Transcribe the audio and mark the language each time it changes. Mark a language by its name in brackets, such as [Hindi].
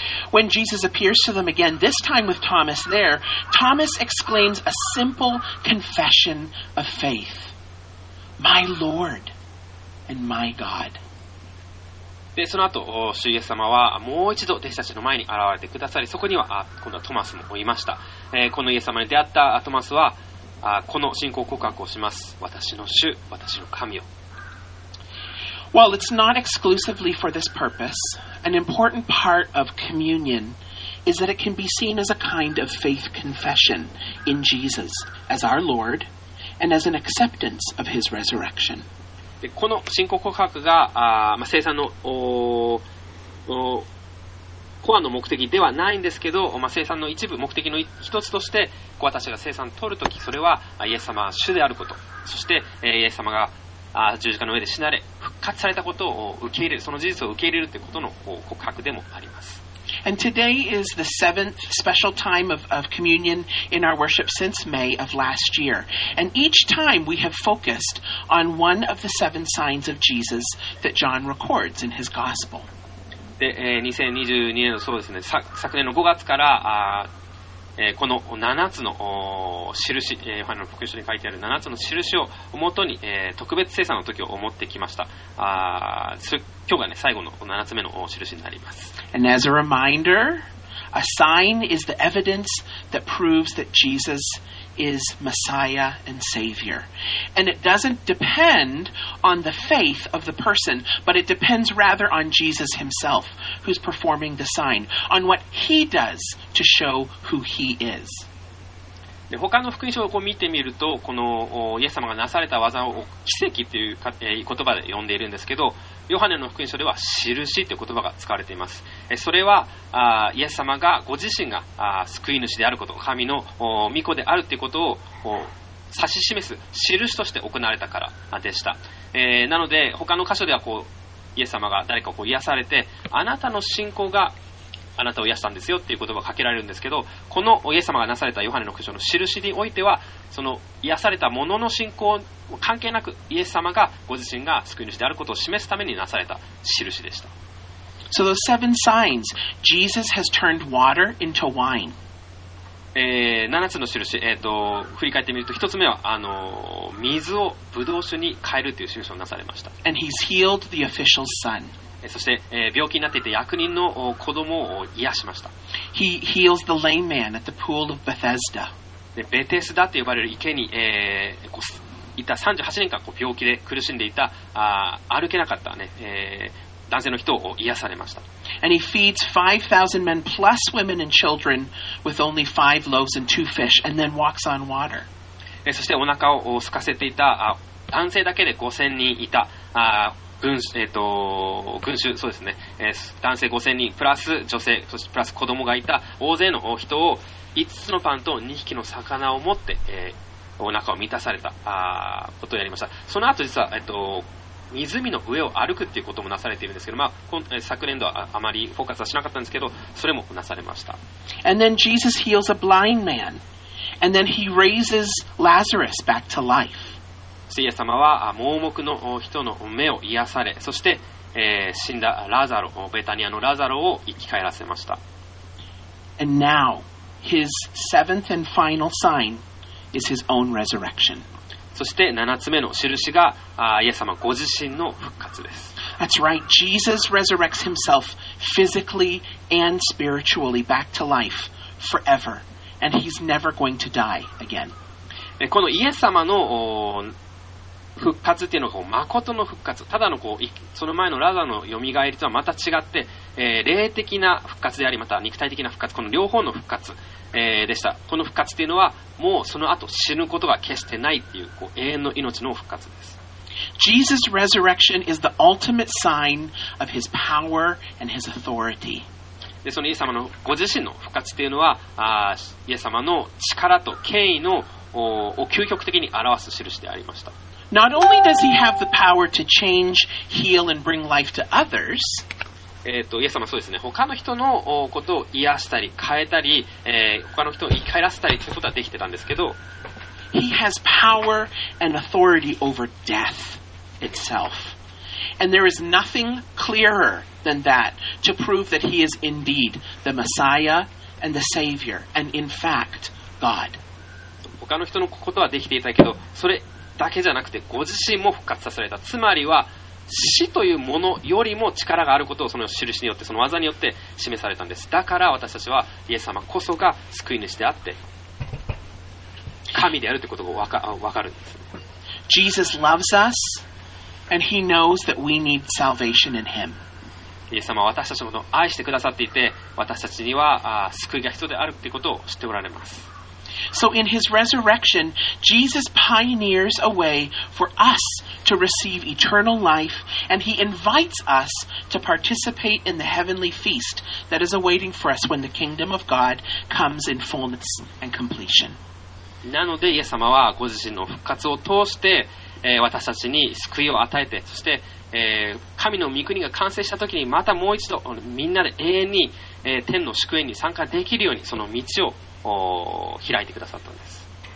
[English] When Jesus appears to them again, this time with Thomas there, Thomas exclaims a simple confession of faith. My Lord and my God. [Japanese] で、その後、主イエス様はもう一度弟子たちの前に現れてくださり、そこには今度はトマスもいました。このイエス様に出会ったトマスは、この信仰告白をします。私の主、私の神よ。 [English] Well, it's not exclusively for this purpose. An important part of communion is that it can be seen as a kind of faith confession in Jesus as our Lord and as an acceptance of his resurrection. [Japanese] でこの信仰告白が、まあ、生産のコアの目的ではないんですけど、まあ、生産の一部目的の一つとしてこう私が生産を取るときそれはイエス様は主であること、そしてイエス様が十字架の上で死なれ復活されたことを受け入れる、その事実を受け入れるということの告白でもあります。 [English] And today is the seventh special time of communion in our worship since May of last year. And each time we have focused on one of the seven signs of Jesus that John records in his gospel. [Japanese] で、2022年のそうですね、昨年の5月から、この7つの印、ヨハネの福音書に書いてある7つの印をもとに、特別聖餐の時を思ってきました。今日が、ね、最後の7つ目の印になります。 [English] And as a reminder, a sign is the evidence that proves that Jesus is Messiah and Savior. And it doesn't depend on the faith of the person, but it depends rather on Jesus himself who's performing the sign, on what he does to show who he is. [Japanese] で、他の福音書をこう見てみると、このイエス様がなされた技を奇跡という言葉で呼んでいるんですけど、ヨハネの福音書では印という言葉が使われています。それはイエス様がご自身が救い主であること、神の御子であるということを指し示す印として行われたからでした。なので他の箇所ではこうイエス様が誰かを癒されて、あなたの信仰があなたを癒したんですよっていう言葉がかけられるんですけど、このイエス様がなされたヨハネの福音書の印においては、その癒されたものの信仰関係なく、イエス様がご自身が救い主であることを示すためになされた印でした。 [English] So those seven signs, Jesus has turned water into wine. [Japanese] 7つの印、振り返ってみると、1つ目は水をブドウ酒に変えるという印をなされました。 [English] And he's healed the official's son. [Japanese] そして、病気になっていて役人の子供を癒しました。 [English] He heals the lame man at the pool of Bethesda. [Japanese] で、ベテスダと呼ばれる池に、いた38年間こう病気で苦しんでいた、歩けなかったね、男性の人を癒されました。 [English] And he feeds 5,000 men plus women and children with only 5 loaves and 2 fish and then walks on water. [Japanese] そしてお腹を空かせていた男性だけで5,000人いた群衆、そうですね、男性5,000人プラス女性、そしてプラス子供がいた大勢の人を5つのパンと2匹の魚を持って、お腹を満たされたことをやりました。その後実は湖の上を歩くっていうこともなされているんですけど、まあ、昨年度はあまりフォーカスはしなかったんですけど、それもなされました。 [English] And then Jesus heals a blind man. And then he raises Lazarus back to life. [Japanese] イエス様は盲目の人の目を癒され、そして、死んだラザロ、ベタニアのラザロを生き返らせました。 [English] And now, his seventh and final sign is his own resurrection. [Japanese] そして7つ目の印がイエス様ご自身の復活です。 [English] That's right. Jesus resurrects himself physically and spiritually back to life forever. And he's never going to die again. [Japanese] このイエス様の復活っていうのが誠の復活。ただのその前のラザの蘇りとはまた違って、霊的な復活であり、また肉体的な復活、この両方の復活。でした。この復活というのはもうその後死ぬことが決してないとい う, こう永遠の命の復活です。 [English] Jesus' resurrection is the ultimate sign of his power and his authority. [Japanese] でそのイエス様のご自身の復活というのはイエス様の力と権威のを究極的に表す印でありました。 [English] Not only does he have the power to change, heal and bring life to others, [Japanese] イエス様そうですね、他の人のことを癒したり変えたり、他の人を生き返らせたりということはできてたんですけど、 [English] He has power and authority over death itself. And there is nothing clearer than that to prove that he is indeed the Messiah and the Savior and in fact God. [Japanese] 他の人のことはできていたけど、それだけじゃなくてご自身も復活させられた。つまりは死というものよりも力があることをその印によって、その技によって示されたんです。だから私たちはイエス様こそが救い主であって神であるということが分かるんです。 [English] Jesus loves us and he knows that we need salvation in him. [Japanese] イエス様は私たちのことを愛してくださっていて、私たちには救いが必要であるということを知っておられます。 [English] So in his resurrection, Jesus pioneers a way for usTo receive eternal life, and he invites us to participate in the heavenly feast that is awaiting for us when the kingdom of God comes in fullness and completion. [Japanese] なのでイエス様はご自身の復活を通して、私たちに救いを与えて、そして、神の御国が完成した時にまたもう一度みんなで永遠に、天の祝宴に参加できるようにその道を開いてくださったんです。